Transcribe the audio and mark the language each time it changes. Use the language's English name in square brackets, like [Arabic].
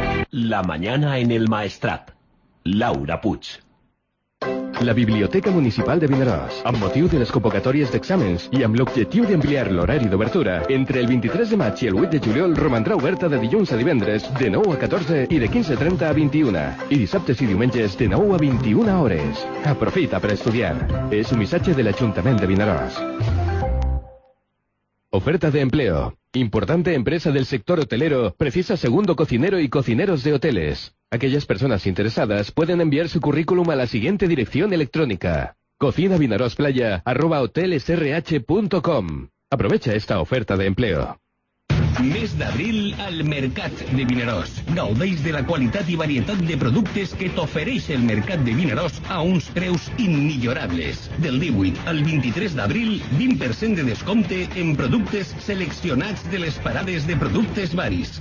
[Spanish] La mañana en el Maestrat. Laura Puig. [Catalan] La Biblioteca Municipal de Vinaròs, amb motiu de les convocatòries d'exàmens i amb l'objectiu d'ampliar l'horari d'obertura, entre el 23 de maig i el 8 de juliol romandrà oberta de dilluns a divendres de 9 a 14 i de 15:30 a 21 i dissabtes i diumenges de 9 a 21 hores. Aprofita per estudiar. És un missatge de l'Ajuntament de Vinaròs. [Spanish] Oferta de empleo. Importante empresa del sector hotelero precisa segundo cocinero y cocineros de hoteles. Aquellas personas interesadas pueden enviar su currículum a la siguiente dirección electrónica: cocinavinarosplaya@hotelesrh.com. Aprovecha esta oferta de empleo. [Catalan] Mes d'abril al Mercat de Vinaròs. Gaudeix de la qualitat i varietat de productes que t'ofereix el Mercat de Vinaròs a uns preus immillorables. Del 18 al 23 d'abril, 20% de descompte en productes seleccionats de les parades de productes varis.